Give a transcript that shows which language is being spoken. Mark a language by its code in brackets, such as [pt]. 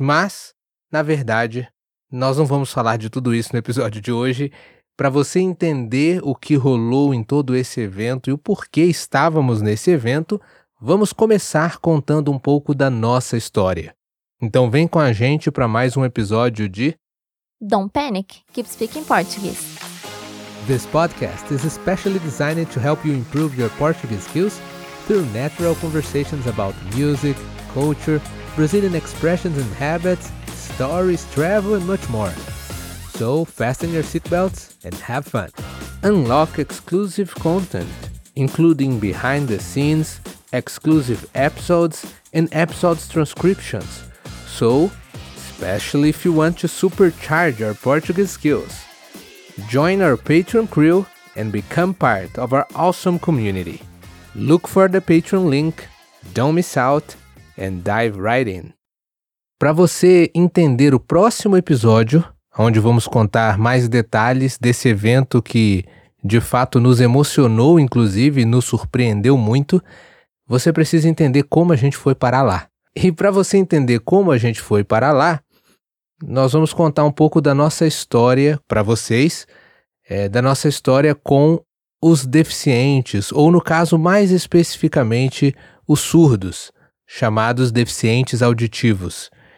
[pt] Mas, na verdade, nós não vamos falar de tudo isso no episódio de hoje. Para você entender o que rolou em todo esse evento e o porquê estávamos nesse evento, vamos começar contando um pouco da nossa história. Então vem com a gente para mais um episódio de... [en] Don't Panic, Keep Speaking Portuguese. This podcast is especially designed to help you improve your Portuguese skills through natural conversations about music, culture, Brazilian expressions and habits, stories, travel and much more. So, fasten your seatbelts and have fun. Unlock exclusive content, including behind the scenes, exclusive episodes and episodes transcriptions. So, especially if you want to supercharge your Portuguese skills, join our Patreon crew and become part of our awesome community. Look for the Patreon link, don't miss out, and dive right in. [pt] Para você entender o próximo episódio, onde vamos contar mais detalhes desse evento que, de fato, nos emocionou, inclusive, e nos surpreendeu muito, você precisa entender como a gente foi para lá. E para você entender como a gente foi para lá, nós vamos contar um pouco da nossa história para vocês, da nossa história com os deficientes, ou no caso mais especificamente, os surdos, chamados deficientes auditivos.